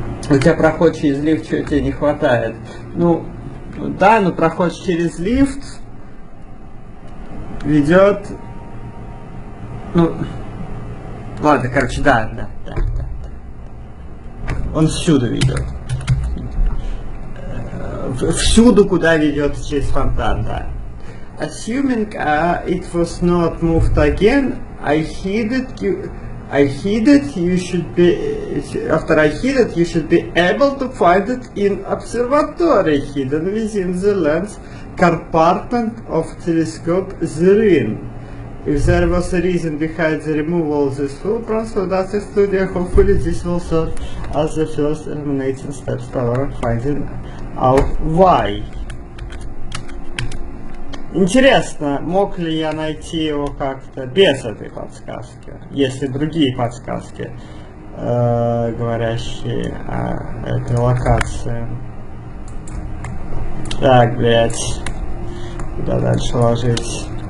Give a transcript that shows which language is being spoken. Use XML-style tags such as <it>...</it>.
<ru>У тебя проход через лифт, чего тебе не хватает? Ну, да, но проход через лифт ведет... Ну, ладно, короче, да. Он всюду ведет. Всюду, куда ведет через фонтан, да.</ru> <en>Assuming it was not moved again, I hid it, you should be able to find it in observatory, hidden within the lens compartment of telescope Zirin. If there was a reason behind the removal of this footprint, so that's the studio, hopefully this will serve as the first eliminating steps toward finding out why.</en> <ru>Интересно, мог ли я найти его как-то без этой подсказки, если другие подсказки, говорящие о этой локации. Так, блядь, куда дальше ложить?</ru>